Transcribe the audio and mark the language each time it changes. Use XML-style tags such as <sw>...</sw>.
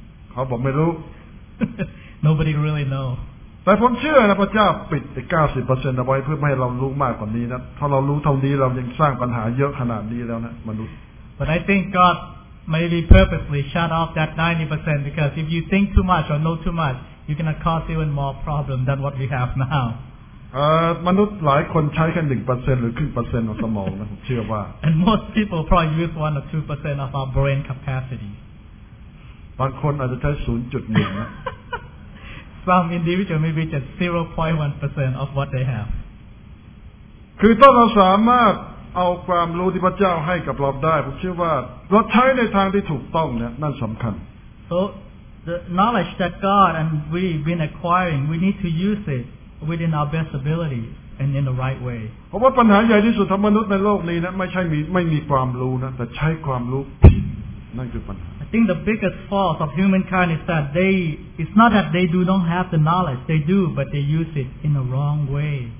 <th>เขาบอกไม่รู้</th> <en>Nobody really know</en> <th>แต่ผมเชื่อนะพระเจ้าปิดไอ้ 90% เอาไว้เพื่อไม่ให้เรารู้มากกว่านี้นะถ้าเรารู้เท่านี้เรายังสร้างปัญหาเยอะขนาดนี้แล้วนะมนุษย์</th> <en>But I think God maybe purposely shut off that 90% because if you think too much or know too much you're going to cause even more problem than what we have now</en> <th>มนุษย์หลายคนใช้แค่ 1% หรือครึ่งเปอร์เซ็นต์ของสมองนะผมเชื่อว่า</th> <en>And most people probably use 1 or 2% of our brain capacity</en> <th>บางคนอาจจะใช้ 0.1 นะ</th> <en>Some individual maybe just 0.1% of what they have.</en> <th>คือถ้าเราสามารถเอาความรู้ที่พระเจ้าให้กับเราได้ผมเชื่อว่าเราใช้ในทางที่ถูกต้องเนี่ยนั่นสำคัญ</th> <en>So the knowledge that God and we've been acquiring, we need to use it within our best ability and in the right way.</en> <th>เพราะว่าปัญหาใหญ่ที่สุดของมนุษย์ในโลกนี้นะไม่ใช่ไม่มีความรู้นะแต่ใช้ความรู้ผิดนั่นคือปัญหา</th> <en>I think the biggest fault of humankind is that it's not that they do not have the knowledge, they do, but they use it in the wrong way.</en>